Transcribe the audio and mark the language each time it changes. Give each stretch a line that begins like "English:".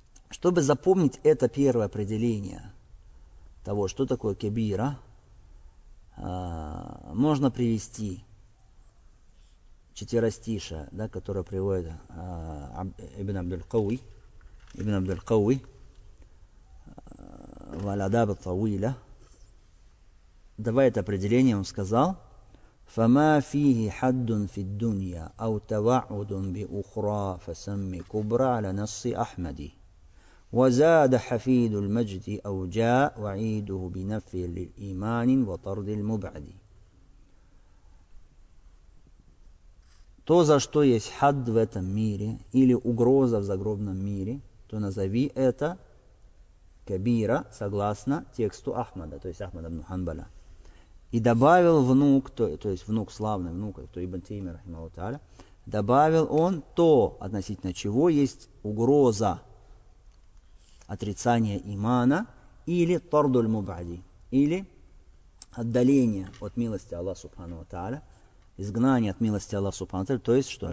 Russian: Чтобы запомнить это первое определение того, что такое кабира, можно привести четверостишие, да, которое приводит Ибн Абдул Кауи, валадаб тауиля. Давай это определение он сказал. Фама фихи хаддун фид дунья, ау таваудун би ухра, фасамми кубра ля насси Ахмади.
Arabic: وزاد حفيد المجد أو جاء وعيده بنفي للإيمان وطرد المبعد.
Russian: То, за что есть хад в этом мире или угроза в загробном мире, то назови это кабира согласно тексту Ахмада, то есть Ахмада ибн Ханбаля. И добавил внук, то есть внук славный, то Ибн Теймия рахимаху тааля, добавил он то, относительно чего есть угроза отрицание имана или тордуль мубади, или отдаление от милости Аллаха Субхану ва Тааля, изгнание от милости Аллаха Субхану ва Тааля, то есть что?